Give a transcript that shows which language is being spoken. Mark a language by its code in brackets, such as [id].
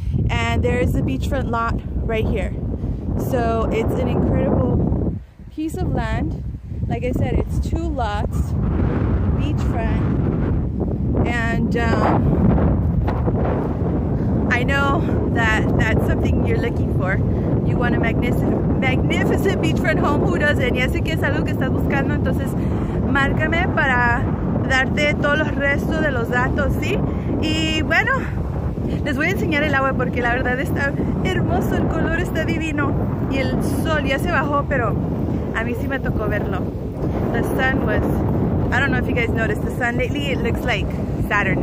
[en] And there is the beachfront lot right here. So it's an incredible piece of land. Like I said, it's two lots, beachfront. And I know that that's something you're looking for. You want a magnificent beachfront home. Who doesn't? [es] Ya sé que es algo que estás buscando. Entonces, márcame para darte todos los restos de los datos, ¿sí? Y bueno, les voy a enseñar el agua porque la verdad está hermoso, el color está divino. Y el sol ya se bajó, pero a mí sí me tocó verlo. [en] The sun was, I don't know if you guys noticed, the sun lately, it looks like Saturn.